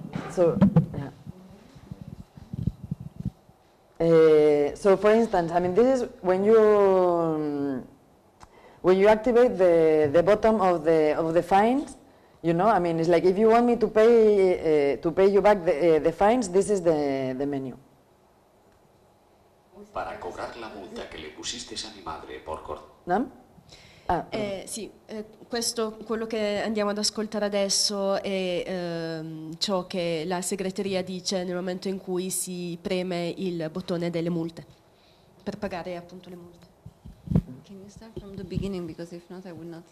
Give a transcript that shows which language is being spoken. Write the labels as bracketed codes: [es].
[en] so, yeah. So, for instance, I mean, this is when you activate the bottom of the fines, you know, I mean, it's like, if you want me to pay you back the fines, this is the menu. [es] Para cobrar la multa que le pusiste a mi madre por corto. No? [it] Sì, questo, quello che andiamo ad ascoltare adesso è ciò che la segreteria dice nel momento in cui si preme il bottone delle multe, per pagare appunto le multe. [en] Can you start from the beginning, because if not I will not...